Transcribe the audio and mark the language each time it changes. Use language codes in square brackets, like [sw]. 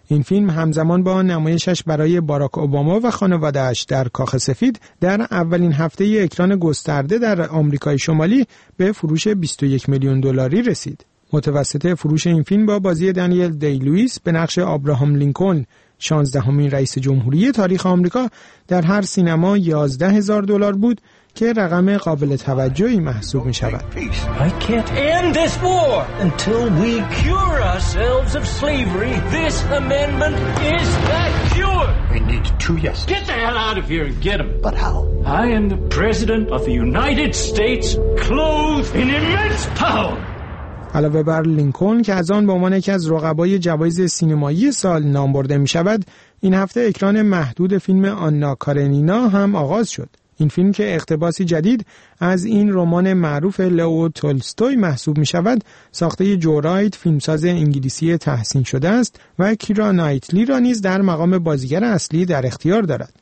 [fa] این فیلم همزمان با نمایشش برای باراک اوباما و خانواده‌اش در کاخ سفید در اولین هفته اکران گسترده در آمریکای شمالی به فروش 21 میلیون دلاری رسید. متوسط فروش این فیلم با بازی دانیل دی‌لوئیس به نقش آبراهام لینکلن، 16 رئیس جمهوری تاریخ آمریکا، در هر سینما 11 هزار دلار بود که رقم قابل توجهی محسوب می شود. [en] I can't end this war until we cure ourselves of slavery. This amendment is that cure. We need two yeses. Get the hell out of here and get them. But how? I am the president of the United States, clothed in immense power. [fa] علاوه بر لینکلن که از آن به عنوان یکی از رقبای جوایز سینمایی سال نام برده می شود، این هفته اکران محدود فیلم آننا کارنینا هم آغاز شد. این فیلم که اقتباسی جدید از این رمان معروف لئو تولستوی محسوب می شود، ساخته جو رایت، فیلمساز انگلیسی تحسین شده است و کیرا نایتلی را نیز در مقام بازیگر اصلی در اختیار دارد.